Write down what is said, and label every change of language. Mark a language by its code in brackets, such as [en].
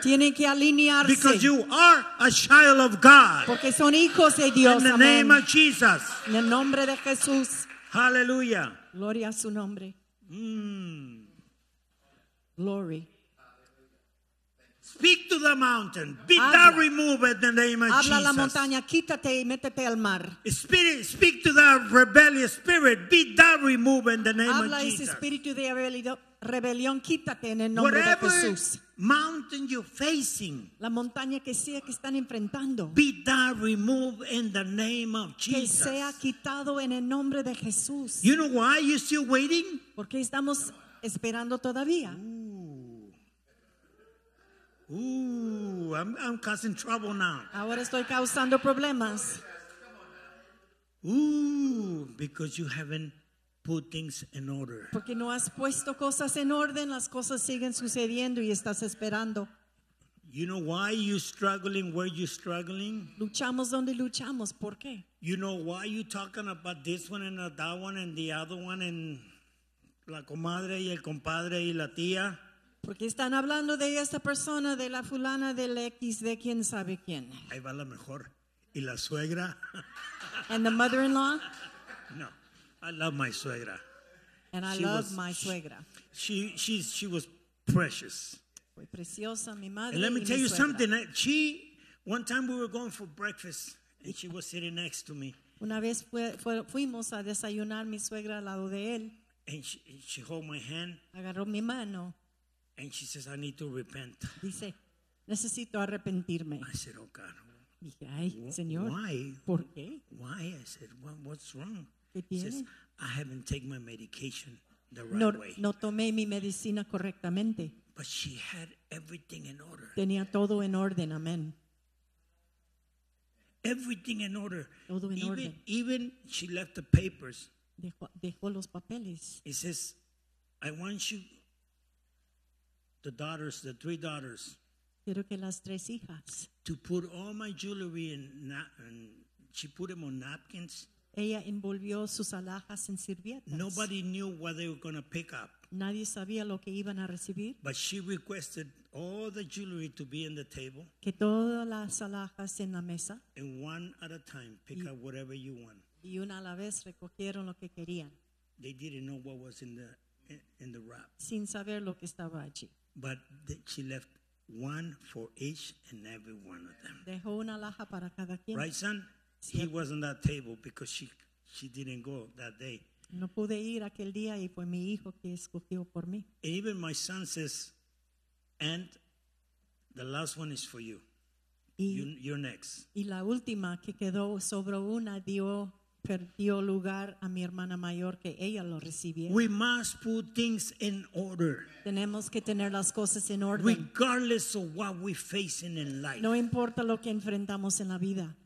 [es] Tiene que alinearse. [en] Because you are a child of God. [es] Porque son hijos de Dios. [en] In the amen. Name of Jesus. [es] En el nombre de Jesús. [en] Hallelujah. [es] Gloria a su nombre. Glory. [en] Speak to the mountain. Be thou removed in the name of [es] Habla [en] Jesus. [es] Habla la montaña, quítate y métete al mar. [en] Spirit, speak to the rebellious spirit. Be thou removed in the name [es] Habla [en] of Jesus. [es] Habla ese espíritu de rebelión, quítate en el nombre [en] Whatever [es] de Jesús. [en] Mountain you're facing. [es] La montaña que sea que están enfrentando. [en] Be thou removed in the name of Jesus. [es] Que sea quitado en el nombre de Jesús. [en] You know why you're still waiting? [es] Porque estamos esperando todavía. [en] Ooh, I'm causing trouble now. [es] Ahora estoy causando problemas. [en] Ooh, because you haven't put things in order. [es] Porque no has puesto cosas en orden, las cosas siguen sucediendo y estás esperando. [en] You know why you're struggling where you're struggling? [es] Luchamos donde luchamos, ¿por qué? [en] You know why you're talking about this one and that one and the other one and [es] la comadre y el compadre y la tía? Porque están hablando de esta persona, de la fulana, del X, de quién sabe quién. Ahí va la mejor. ¿Y la suegra? [en] And the mother-in-law? No, I love my suegra. And I love my suegra. She was precious. [es] Fue preciosa, mi madre. [en] And let me tell you [es] suegra. [en] Something. She, one time we were going for breakfast, and she was sitting next to me. [es] Una vez fuimos a desayunar mi suegra al lado de él. [en] And she held my hand. [es] Agarró mi mano. [en] And she says, I need to repent. [es] Dice, necesito arrepentirme. [en] I said, oh God. [es] Dije, ay, Señor. [en] Why? [es] ¿Por qué? [en] Why? I said, what's wrong? [es] ¿Qué tiene? [en] She says, I haven't taken my medication the [es] no, [en] right way. [es] No tomé mi medicina correctamente. [en] But she had everything in order. [es] Tenía todo en orden, amén. [en] Everything in order. [es] Todo en orden. [en] Even she left the papers. [es] Dejó los papeles. [en] He says, I want you... The daughters, the three daughters. [es] Quiero que las tres hijas. [en] To put all my jewelry in, and she put them on napkins. [es] Ella envolvió sus alhajas en servilletas. [en] Nobody knew what they were going to pick up. [es] Nadie sabía lo que iban a recibir. [en] But she requested all the jewelry to be in the table. [es] Que todas las alhajas en la mesa. [en] And one at a time, pick up whatever you want. [es] Y una a la vez recogieron lo que querían. [en] They didn't know what was in the wrap. [es] Sin saber lo que estaba allí. [en] But she left one for each and every one of them. [es] Dejó una alhaja para cada quien. [en] Right, son? Sí. He was on that table because she didn't go that day. [es] No pude ir aquel día y fue mi hijo que escogió por mí. [en] And even my son says, and the last one is for you. You're next. [es] Y la última que quedó sobre una perdió lugar a mi hermana mayor que ella lo recibió. [en] We must put things in order. [es] Tenemos que tener las cosas en orden. [en] Regardless of what we facing in life. [es] No importa lo que enfrentamos en la vida.